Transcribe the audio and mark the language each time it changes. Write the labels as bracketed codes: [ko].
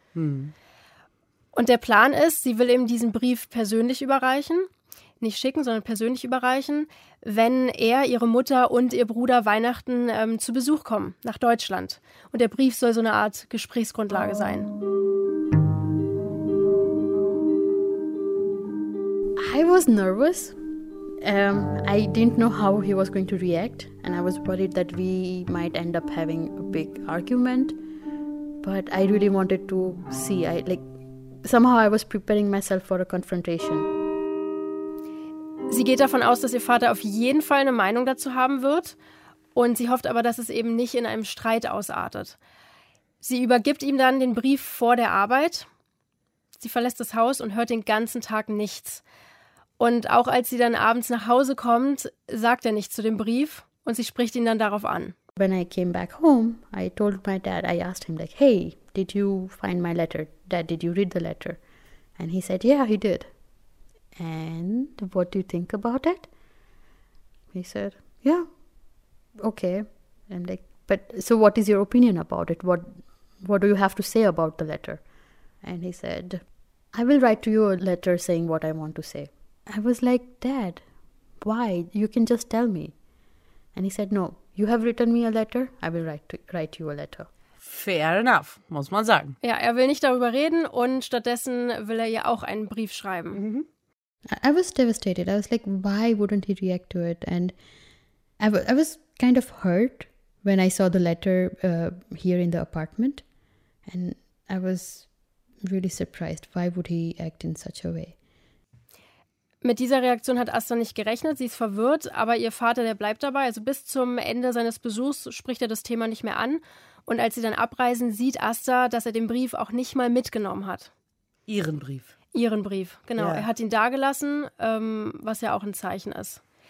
[de] Und der Plan ist, sie will ihm diesen Brief persönlich überreichen, nicht schicken, sondern persönlich überreichen, wenn er, ihre Mutter und ihr Bruder Weihnachten zu Besuch kommen nach Deutschland. Und der Brief soll so eine Art Gesprächsgrundlage sein. [en] I was nervous. I didn't know how he was going to react, and I was worried that we might end up having a big argument. But I really wanted to see. Somehow I was preparing myself for a confrontation. [de] Sie geht davon aus, dass ihr Vater auf jeden Fall eine Meinung dazu haben wird, und sie hofft aber, dass es eben nicht in einem Streit ausartet. Sie übergibt ihm dann den Brief vor der Arbeit. Sie verlässt das Haus und hört den ganzen Tag nichts. Und auch als sie dann abends nach Hause kommt, sagt er nichts zu dem Brief und sie spricht ihn dann darauf an. [en] When I came back home, I told my dad, I asked him like, hey, did you find my letter? Dad, did you read the letter? And he said, yeah, he did. And what do you think about it? He said, yeah, okay. I'm like, but so what is your opinion about it? What do you have to say about the letter? And he said, I will write to you a letter saying what I want to say. I was like, Dad, why? You can just tell me. And he said, no, you have written me a letter. I will write you a letter. Fair enough, [de] muss man sagen. Ja, er will nicht darüber reden und stattdessen will er ihr auch einen Brief schreiben. [en] Mm-hmm. I was devastated. I was like, why wouldn't he react to it? And I was kind of hurt when I saw the letter here in the apartment. And I was really surprised. Why would he act in such a way? [de] Mit dieser Reaktion hat Asta nicht gerechnet, sie ist verwirrt, aber ihr Vater, der bleibt dabei. Also bis zum Ende seines Besuchs spricht er das Thema nicht mehr an. Und als sie dann abreisen, sieht Asta, dass er den Brief auch nicht mal mitgenommen hat. Ihren Brief. Ihren Brief, genau. Ja. Er hat ihn dagelassen, was ja auch ein Zeichen ist.